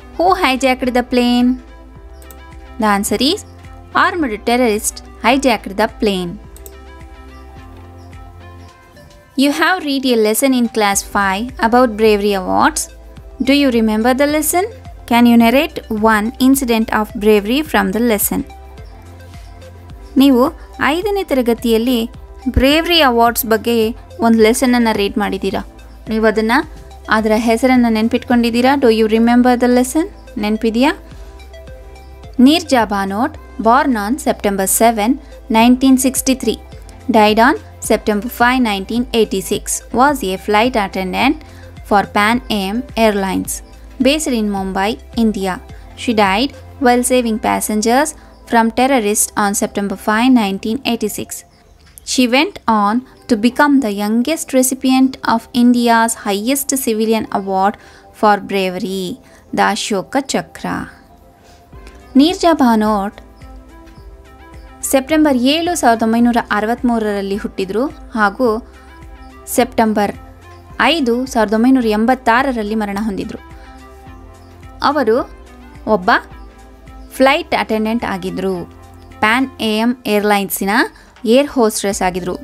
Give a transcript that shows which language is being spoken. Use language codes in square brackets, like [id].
[en] Who hijacked the plane? The answer is, armed terrorists hijacked the plane. You have read a lesson in class 5 about bravery awards. Do you remember the lesson? Can you narrate one incident of bravery from the lesson? [kn] ನೀವು 5ನೇ ತರಗತಿಯಲ್ಲಿ bravery awards ಬಗ್ಗೆ ಒಂದು ಲೆಸನನ್ನು read ಮಾಡಿದ್ದೀರಾ. ನೀವು ಅದನ್ನು ಅದರ ಹೆಸರನ್ನು ನೆನ್ಪಿಟ್ಕೊಂಡಿದ್ದೀರಾ? [en] Do you remember the lesson? [kn] ನೆನಪಿದೆಯಾ? [en] Nirja Bhanot, born on September 7, 1963, died on September 5, 1986, was a flight attendant for Pan Am Airlines, based in Mumbai, India. She died while saving passengers from terrorists on September 5, 1986. She went on to become the youngest recipient of India's highest civilian award for bravery, the Ashoka Chakra. [kn] Nirja Bhanot September 7, 1963 ಹುಟ್ಟಿದ್ರು ಹಾಗೂ September 5, 1986 ಮರಣ ಹೊಂದಿದ್ರು. ಅವರು ಒಬ್ಬ flight attendant ಆಗಿದ್ದರು, PAN am ಏರ್ಲೈನ್ಸಿನ air hostess ಆಗಿದ್ದರು.